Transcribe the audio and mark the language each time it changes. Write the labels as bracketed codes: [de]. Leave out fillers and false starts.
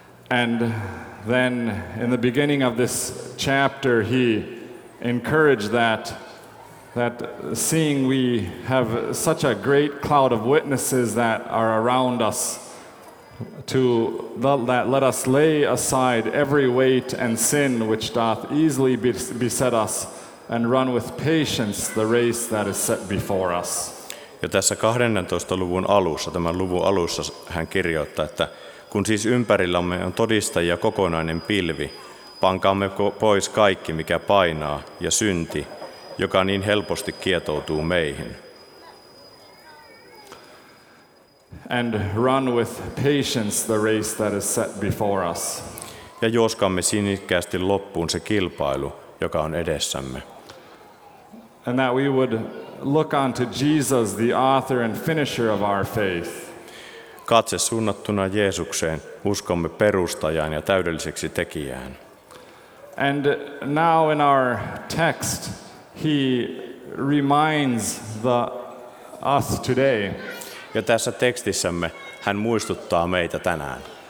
[en] And then in the beginning of this chapter he encouraged that seeing we have such a great cloud of witnesses that are around us that let us lay aside every weight and sin which doth easily beset us and run with patience the race that is set before us. [fi] Ja tässä 12. luvun alussa, tämän luvun alussa hän kirjoittaa, että kun siis ympärillämme on todistajia kokonainen pilvi, pankaamme pois kaikki, mikä painaa ja synti, joka niin helposti kietoutuu meihin. [en] And run with patience the race that is set before us. [fi] Ja juoskamme sinnikkäästi loppuun se kilpailu, joka on edessämme. [en] And that we would look unto Jesus, the author and finisher of our faith. [fi] Katse suunnattuna Jeesukseen, uskomme perustajaan ja täydelliseksi tekijään. [en] And now in our text, he reminds us today. [fi] Ja tässä tekstissämme hän muistuttaa meitä tänään.